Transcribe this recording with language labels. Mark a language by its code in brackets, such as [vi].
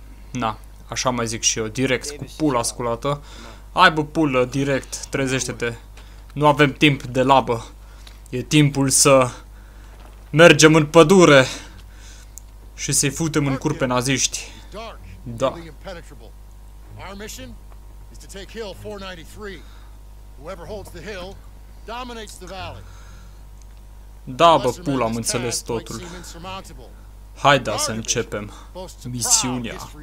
[ro] Na, așa mai zic și eu, direct, cu pula sculată. Hai bă, pulă, direct, trezește-te. Nu avem timp de labă. E timpul să mergem în pădure și să-i futem în cur pe naziști. Da. [en] Our mission is to take hill 493. Whoever holds the hill dominates the valley. [ro] Da, bă, pula, am înțeles totul. Haide să începem misiunea.